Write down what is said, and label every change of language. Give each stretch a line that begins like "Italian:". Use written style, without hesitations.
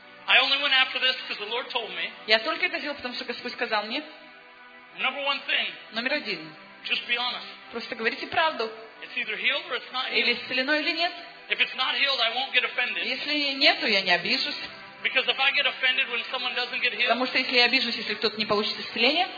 English: I only went after this because the Lord told me.
Russian: Я только это сделал, потому что Господь сказал мне.
English: Number one thing.
Russian: Номер один.
English: Just be honest.
Russian: Просто говорите правду.
English: It's either healed or it's not healed.
Russian: Или исцелено, или нет.
English: If it's not healed, I won't get offended.
Russian: Если нет, то я не обижусь.
English: Because if I get offended when someone doesn't get healed.
Russian: Потому что если я обижусь, если кто-то не получит исцеление.